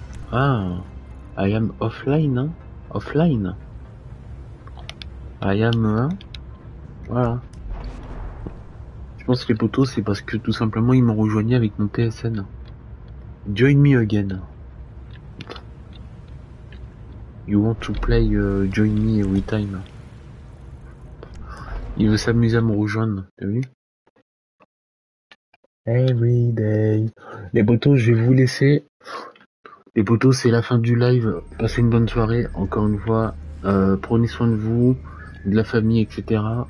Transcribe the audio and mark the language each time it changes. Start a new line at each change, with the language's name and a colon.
English: Ah, I am offline,
French: hein?
English: Offline. I am,
French: voilà. Je pense que les potos, c'est parce que tout simplement ils m'ont rejoigné avec mon PSN.
English: Join me again. You want to play join me every time.
French: Il veut s'amuser à me rejoindre, t'as vu?
English: Every day.
French: Les potos, je vais vous laisser. Les potos, c'est la fin du live. Passez une bonne soirée, encore une fois. Prenez soin de vous, de la famille, etc.